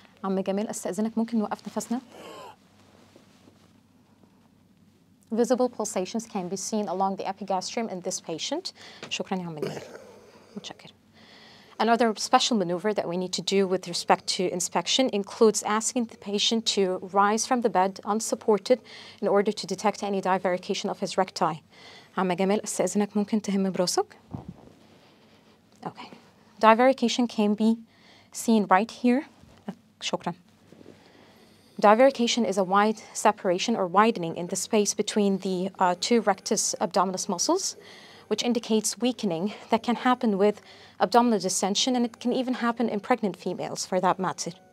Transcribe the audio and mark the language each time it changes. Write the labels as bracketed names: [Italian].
[Arabic] عم جميل، استأذنك ممكن نوقف نفسنا؟ [English] Visible pulsations can be seen along the epigastrium in this patient. [Arabic] شكرا يا عم جميل. متشكر. [English] Another special maneuver that we need to do with respect to inspection includes asking the patient to rise from the bed unsupported in order to detect any divarication of his recti. [Arabic] عم جميل، استأذنك ممكن تهم براسك؟ Okay. [English] Divarication can be seen right here. [Arabic] شكراً. [English] Divarication is a wide separation or widening in the space between the two rectus abdominis muscles, which indicates weakening that can happen with abdominal distension, and it can even happen in pregnant females for that matter.